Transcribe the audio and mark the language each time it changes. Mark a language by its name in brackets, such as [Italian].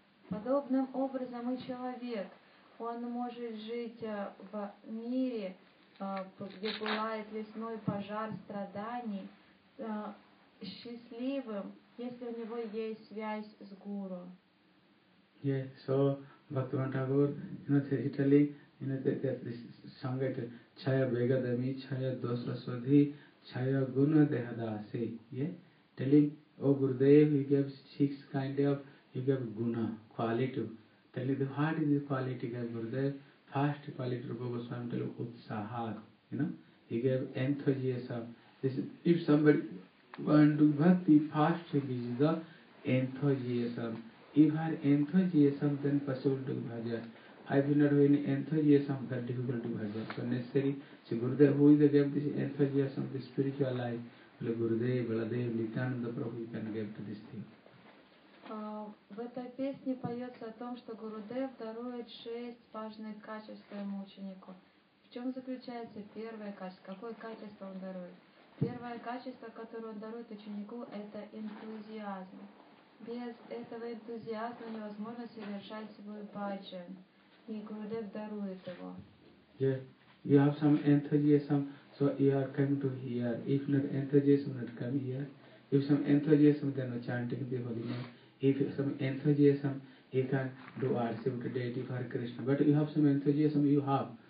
[Russian] Подобным образом и человек, он может жить в мире, где пылает лесной пожар страданий, счастливым, если у него есть связь с гуру. [English] Yeah, so... Bhaktivinoda Thakur, you know, he's telling, you know, that this song is Chaya Begadami, Chaya Dosra Swadhi, Chaya Guna Dehadasi. Yeah? Telling, oh Gurudev, he gave six kind of, he gave Guna, quality. Telling, what is the quality of Gurudev? First quality, Rupa Goswami tell Utsahag, you know, he gave enthusiasm. This, if somebody wants to bhakti, first thing is the enthusiasm. If I have enthusiasm, then possible to bhajan. I do not have any enthusiasm, then difficult to bhajan. So necessary, so Gurudev, who is the gift this enthusiasm, the spiritual life? Well, Gurudev, Baladev, Nityananda Prabhu, you can give to this thing. [Russian] В этой песне поется о том, что Гурудев дарует шесть важных качеств своему ученику. В чем заключается первое качество? Какое качество он дарует? Первое качество, которое он дарует ученику, это энтузиазм. Без этого энтузиазма невозможно совершать свой баджан. И Гурудев дарует его. [English] Yeah. You have some enthusiasm, so you are coming to here. If not enthusiasm, not come here. If some enthusiasm, then chanting the holy name. If some enthusiasm, you can do worship to deity for Krishna. But you have some enthusiasm, you have.